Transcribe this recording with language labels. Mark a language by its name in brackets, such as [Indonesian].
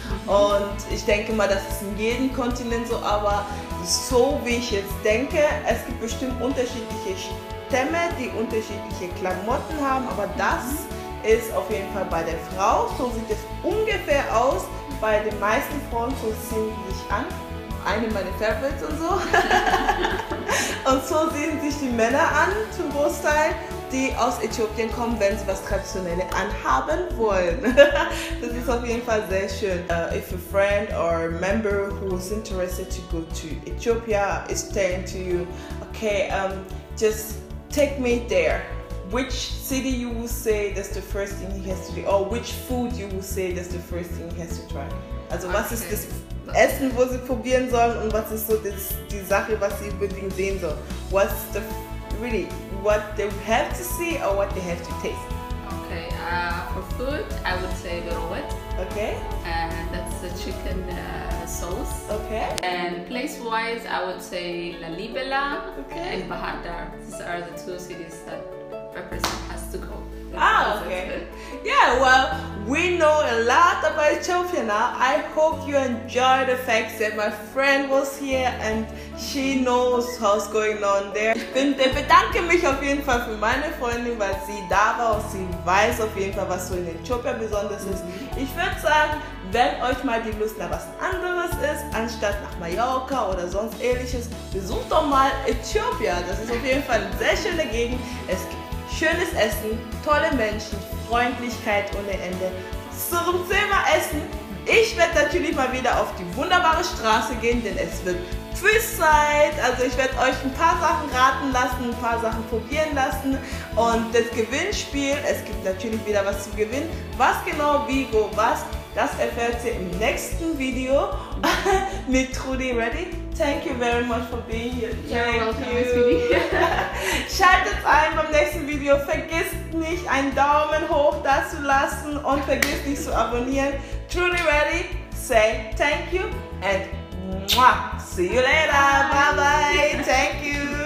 [German] Und ich denke mal, das ist in jedem Kontinent so, aber so wie ich jetzt denke, es gibt bestimmt unterschiedliche Stämme, die unterschiedliche Klamotten haben, aber das ist auf jeden Fall bei der Frau, so sieht es ungefähr aus. Bei den meisten Frauen so ziehen sie sich an, eine meiner Favorites und so. Und so sehen sich die Männer an, zum Großteil, die aus Äthiopien kommen, wenn sie was Traditionelles anhaben wollen. Das ist auf jeden Fall sehr schön. [English] If a friend or a member who is interested to go to Ethiopia is saying to you, okay, just take me there. Which city you will say that's the first thing he has to do, or which food you will say that's the first thing he has to try? [German] Also was okay. Ist das Essen, wo sie probieren sollen, und was ist so das, die Sache, was sie unbedingt sehen sollen? [English] What's the really what they have to see or what they have to taste? Okay, for food I would say Berowet. Okay. And that's the chicken sauce. Okay. And place wise I would say Lalibela. Okay. And Bahardar. These are the two cities that person has to go. Ah, okay. Yeah, well, we know a lot about Ethiopia now. I hope you enjoy the fact that my friend was here and she knows what's going on there. [German] Ich bedanke mich auf jeden Fall für meine Freundin, weil sie da war und sie weiß auf jeden Fall, was so in Ethiopia besonders ist. Ich würde sagen, wenn euch mal die Lust nach was anderes ist, anstatt nach Mallorca oder sonst ähnliches, besucht doch mal Ethiopia. Das ist auf jeden Fall eine sehr schöne Gegend. Es gibt schönes Essen, tolle Menschen, Freundlichkeit ohne Ende. Zum Thema Essen. Ich werde natürlich mal wieder auf die wunderbare Straße gehen, denn es wird Quizzeit. Also ich werde euch ein paar Sachen raten lassen, ein paar Sachen probieren lassen. Und das Gewinnspiel, es gibt natürlich wieder was zu gewinnen. Was genau, wie, wo, was, das erfährt ihr im nächsten Video mit Trudi Ready. [English] Thank you very much for being here. [German] Schaltet ein beim nächsten Video. Vergesst nicht, einen Daumen hoch da zu lassen und vergesst nicht zu abonnieren. [English] Trudi Ready, say thank you and mwah. See you later. Bye bye. Thank you.